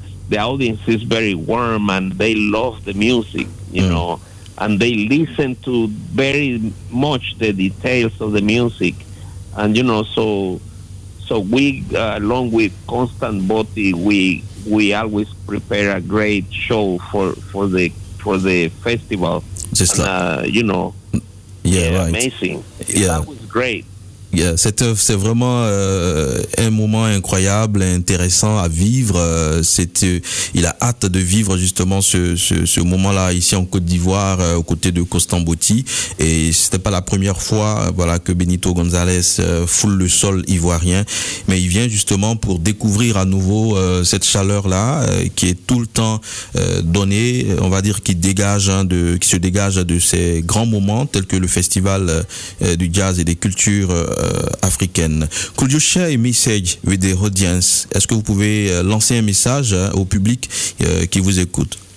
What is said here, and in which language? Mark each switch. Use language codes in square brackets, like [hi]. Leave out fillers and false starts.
[en] The audience is very warm, and they love the music, you know, and they listen to very much the details of the music, and you know, so we, along with Constant Botti, we always prepare a great show for the festival. Just like, you know, right. Amazing. That was great. [fr] Yeah, c'est vraiment un moment incroyable, intéressant à vivre. Il a hâte de vivre justement ce moment-là ici en Côte d'Ivoire, aux côtés de Constant Botti. Et c'était pas la première fois, voilà, que Benito González foule le sol ivoirien, mais il vient justement pour découvrir à nouveau cette chaleur-là qui est tout le temps donnée. On va dire qui se dégage de ces grands moments tels que le festival du jazz et des cultures africaine. [en] Could you share a message with the audience? [fr] Est-ce que vous pouvez lancer un message au public qui vous écoute?